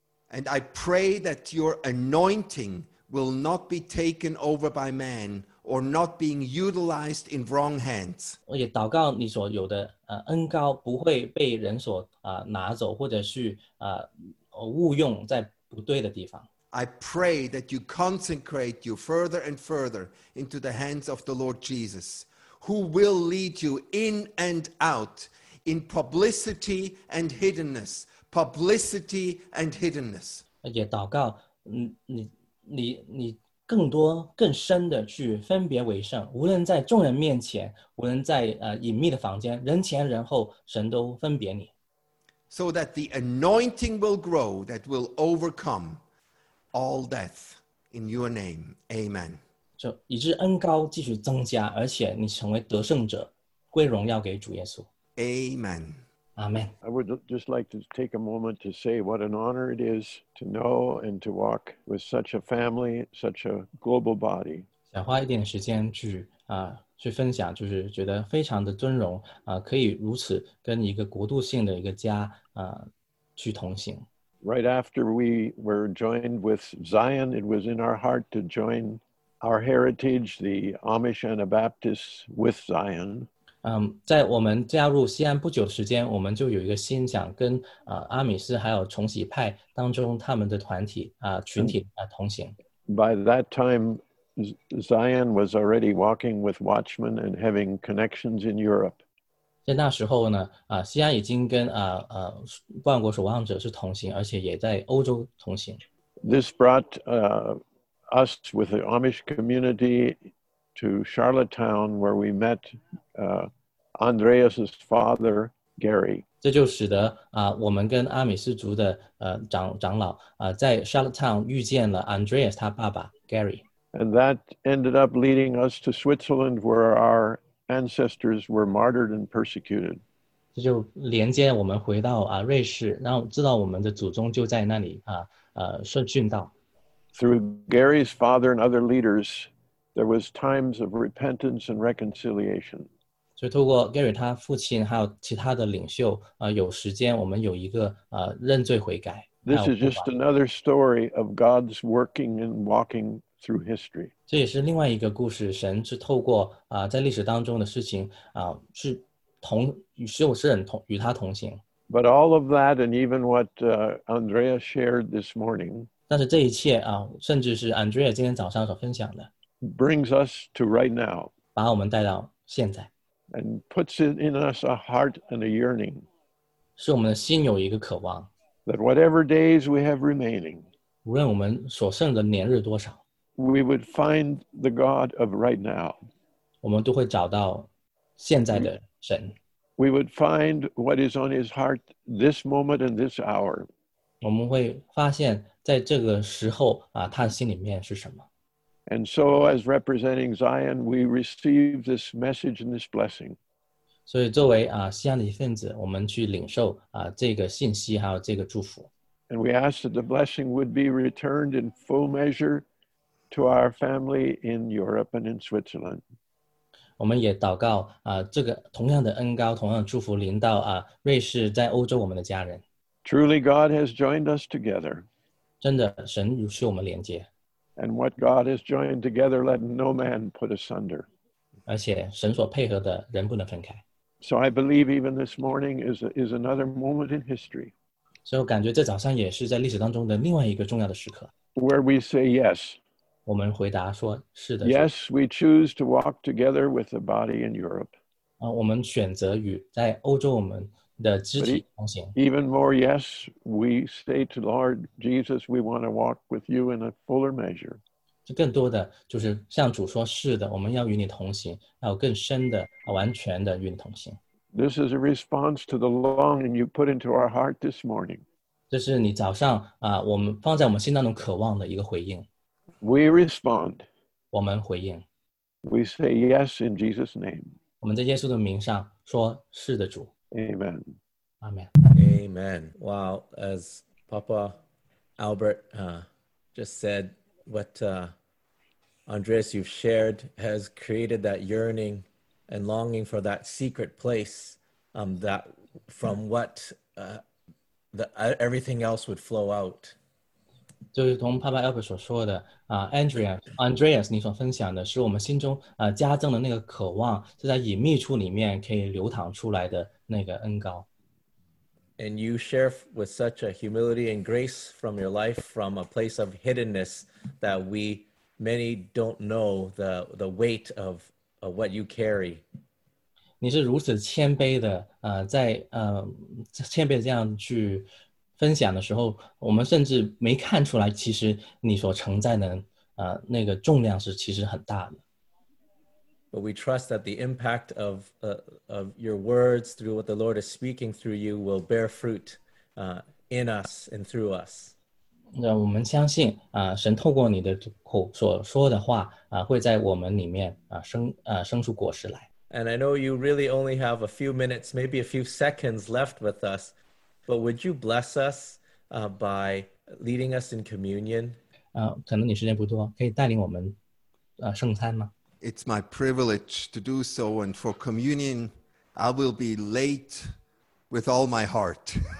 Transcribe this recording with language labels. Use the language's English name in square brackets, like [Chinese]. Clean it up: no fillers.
[English] And I pray that your anointing will not be taken over by man. Or not being utilized in wrong hands. [Chinese] 我也祷告你所有的恩膏不会被人所拿走或者是误用在不对的地方。 [English] I pray that you consecrate you further and further into the hands of the Lord Jesus, who will lead you in and out in publicity and hiddenness, publicity and hiddenness. [Chinese] 也祷告你更多更深的去分别为圣，无论在众人面前，无论在隐秘的房间，人前人后，神都分别你。 [English] So that the anointing will grow, that will overcome all death in your name. Amen. [Chinese] 就以致恩膏继续增加，而且你成为得胜者，归荣耀给主耶稣。 [English] Amen. Amen. I would just like to take a moment to say what an honor it is to know and to walk with such a family, such a global body. [Chinese] 想花一点时间去分享，就是觉得非常的尊荣可以如此跟一个国度性的一个家去同行。 [English] Right after we were joined with Zion, it was in our heart to join our heritage, the Amish Anabaptists, with Zion. [Chinese] 在我们加入西安不久的时间，我们就有一个心想跟阿米斯还有重禧派当中他们的团体群体同行。 [English] By that time, Zion was already walking with Watchmen and having connections in Europe. [Chinese] 在那时候呢，西安已经跟万国守望者是同行，而且也在欧洲同行。 [English] This brought us with the Amish community. To Charlottetown, where we met Andreas's father, Gary. [Chinese] 这就使得我们跟阿米斯族的长老在 Charlottetown 遇见了 Andreas 他爸爸 Gary. [English] And that ended up leading us to Switzerland, where our ancestors were martyred and persecuted. [Chinese] 这就连接我们回到瑞士，然后知道我们的祖宗就在那里受殉道。 [English] Through Gary's father and other leaders. There was times of repentance and reconciliation. [Chinese] 所以透过 Gary 他父亲还有其他的领袖有时间我们有一个认罪悔改。 [English] This is just another story of God's working and walking through history. [Chinese] 这也是另外一个故事，神是透过在历史当中的事情是同与使有圣同与他同行。 [English] But all of that and even what Andrea shared this morning. [Chinese] 但是这一切甚至是 Andrea 今天早上所分享的。 [English] Brings us to right now, [Chinese] 把我们带到现在 [English] and puts it in us a heart and a yearning, [Chinese] 是我们的心有一个渴望 [English] that whatever days we have remaining, [Chinese] 无论我们所剩的年日多少 [English] we would find the God of right now, [Chinese] 我们都会找到现在的神 [English] we would find what is on His heart this moment and this hour, [Chinese] 我们会发现在这个时候他心里面是什么。 [English] And so, as representing Zion, we receive this message and this blessing. [Chinese] 所以作为西安的一份子，我们去领受这个信息还有这个祝福。 [English] And we ask that the blessing would be returned in full measure to our family in Europe and in Switzerland. [Chinese] 我们也祷告这个同样的恩膏、同样的祝福临到瑞士在欧洲我们的家人。 [English] Truly, God has joined us together. [Chinese] 真的，神与我们连接。 [English] And what God has joined together, let no man put asunder. [Chinese] 而且神所配合的人不能分开。 [English] So I believe even this morning is another moment in history. [Chinese] So 感觉这早上也是在历史当中的另外一个重要的时刻。 [English] Where we say yes. [Chinese] 我们回答说是的。 [English] Yes, we choose to walk together with the body in Europe. [Chinese] 我们选择与在欧洲我们的肢体同行。 [English] Even more yes, we say to Lord Jesus, we want to walk with you in a fuller measure. [Chinese] 就更多的就是向主说是的，我们要与你同行，要更深的、完全的与你同行。 [English] This is a response to the longing you put into our heart this morning. [Chinese] 这是你早上我们放在我们心当中渴望的一个回应。 [English] We respond. [Chinese] 我们回应。 [English] We say yes in Jesus' name. [Chinese] 我们在耶稣的名上说是的，主。 [English] Amen. Amen. Amen. Wow, as Papa Albert just said, what Andreas, you've shared has created that yearning and longing for that secret place that from what everything else would flow out. [Chinese] 就是同 Papa Albert 所说的Andreas, 你所分享的是我们心中加增的那个渴望是在隐秘处里面可以流淌出来的那个恩膏。 [English] And you share with such a humility and grace from your life from a place of hiddenness that we many don't know the weight of what you carry. [Chinese] 你是如此谦卑的在谦卑这样去分享的时候我们甚至没看出来其实你所承载的那个重量是其实很大的。 [English] But we trust that the impact of your words through what the Lord is speaking through you will bear fruit in us and through us. [Chinese] 我们相信神透过你的口所说的话会在我们里面生出果实来。 [English] And I know you really only have a few minutes, maybe a few seconds left with us, but would you bless us by leading us in communion? [Chinese] 可能你时间不多，可以带领我们圣餐吗？ [English] It's my privilege to do so, and for communion, I will be late with all my heart.